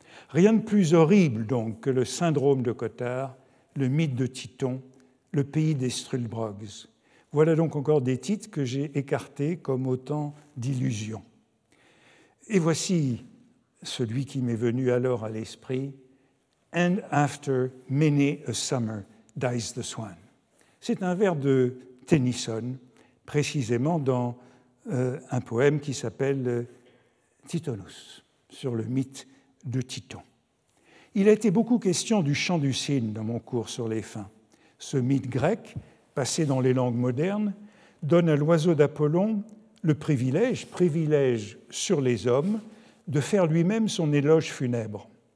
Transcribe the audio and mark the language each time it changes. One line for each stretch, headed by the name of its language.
French: Rien de plus horrible, donc, que le syndrome de Cotard, le mythe de Titon, le pays des Struldbrugs. Voilà donc encore des titres que j'ai écartés comme autant d'illusions. Et voici celui qui m'est venu alors à l'esprit,
English: And after many a summer dies the swan.
French: C'est un vers de Tennyson, précisément dans un poème qui s'appelle Titonus, sur le mythe de Titon. Il a été beaucoup question du chant du cygne dans mon cours sur les fins. Ce mythe grec, passé dans les langues modernes, donne à l'oiseau d'Apollon le privilège sur les hommes, de faire lui-même son éloge funèbre.